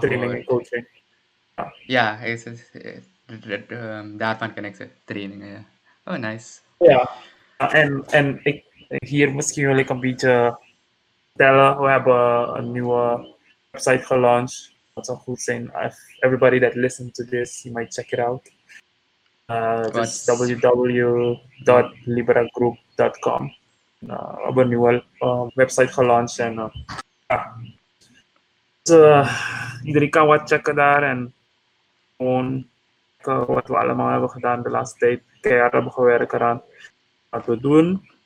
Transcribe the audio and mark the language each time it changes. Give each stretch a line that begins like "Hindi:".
Dutch: training gehoord. en coaching. Ja. Ja, daarvan ken ik ze. Trainingen, ja. Oh, nice. Ja, en ik hier misschien wil ik een beetje vertellen. We hebben een nieuwe website gelanceerd. Dat zou goed zijn.
English: Everybody that listened to this, you might check it out.
Dutch: Dit is www.liberagroup.com. We hebben een nieuwe website gelanceerd en iedereen kan wat checken daar en gewoon wat we allemaal hebben gedaan de laatste tijd, keihard hebben gewerkt eraan wat we doen.